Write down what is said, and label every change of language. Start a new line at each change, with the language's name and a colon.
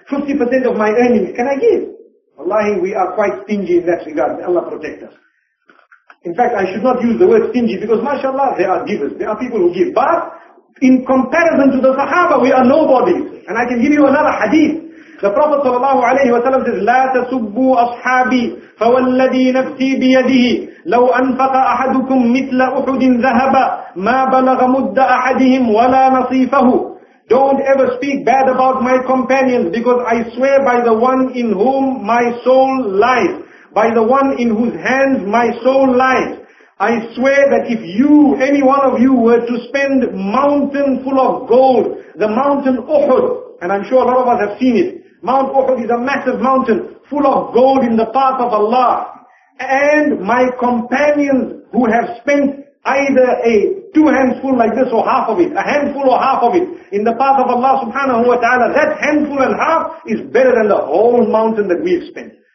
English: 50% of my earnings, can I give? Wallahi, we are quite stingy in that regard. May Allah protect us. In fact, I should not use the word stingy because mashallah, there are givers. There are people who give. But in comparison to the Sahaba, we are nobodies. And I can give you another hadith. The Prophet sallallahu alayhi wa sallam says,
Arabic: لا تسبوا أصحابي فوالذي نفسي بيده لو أنفق أحدكم مثل أحد ذهبا ما بلغ مد أحدهم ولا نصيفه.
English: Don't ever speak bad about my companions because I swear by the one in whom my soul lies, by the one in whose hands my soul lies. I swear that if you, any one of you, were to spend mountain full of gold, the mountain Uhud, and I'm sure a lot of us have seen it, Mount Uhud is a massive mountain full of gold in the path of Allah, and my companions who have spent either a two handful like this or half of it, a handful or half of it in the path of Allah subhanahu wa ta'ala, that handful and half is better than the whole mountain that we have spent.